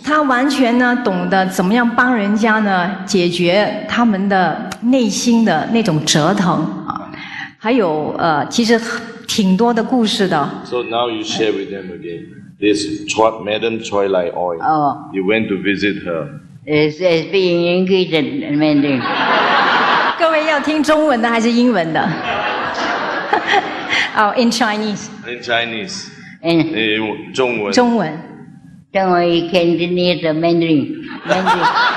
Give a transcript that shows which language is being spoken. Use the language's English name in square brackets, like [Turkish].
[Chinese] 她完全呢懂得怎么样帮人家呢解决他们的内心的那种折腾。还有其实挺多的故事的。 [English] So now you share with them again. This Madam Choy Lai Oi. You went to visit her. is being English and Mandarin. [Chinese] 各位要听中文的还是英文的？ [English] 哦、oh, ，in Chinese. In Chinese. In 中文。 [Chinese] 中文。 [English] 中文 ，Cantonese Mandarin. Mandarin.